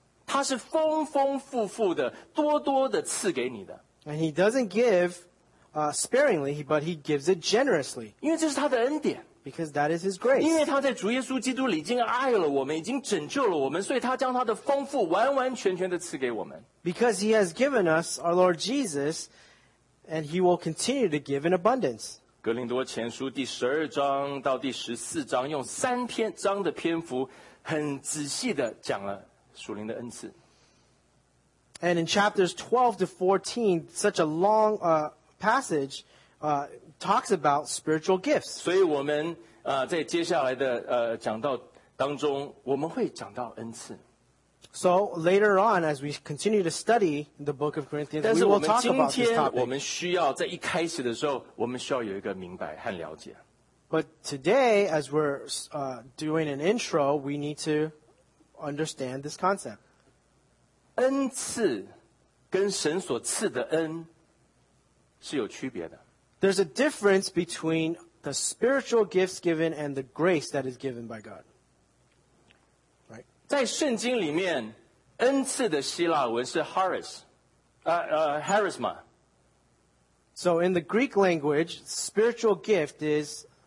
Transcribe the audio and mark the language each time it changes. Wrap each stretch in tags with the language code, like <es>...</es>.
<zh>祂是丰丰富富的, 多多的赐给你的。</zh> <en>And He doesn't give sparingly, but He gives it generously.</en> <zh>因为这是他的恩典,</zh> <en>because that is His grace.</en> <zh>因为他在主耶稣基督里已经爱了我们, 已经拯救了我们, 所以他将他的丰富, 完完全全地赐给我们。</zh> <en>Because He has given us our Lord Jesus, and He will continue to give in abundance.</en> <zh>格林多前书第12章到第14章, 用3篇章的篇幅, 很仔细地讲了属灵的恩赐。</zh> <en>And in chapters 12 to 14, such a long passage talks about spiritual gifts.</en> <zh>所以我们, 在接下来的, 讲道当中, 我们会讲到恩赐。</zh> <en>So later on, as we continue to study the book of Corinthians, we will talk about this topic.</en> <zh>我们需要在一开始的时候，我们需要有一个明白和了解。</zh> <en>But today, as we're doing an intro, we need to understand this concept.</en> <zh>恩赐跟神所赐的恩是有区别的。</zh> <en>There's a difference between the spiritual gifts given and the grace that is given by God. Right?</en> <zh>在圣经里面, 恩赐的希腊文是 charisma.</zh> <en>So in the Greek language, spiritual gift is</en>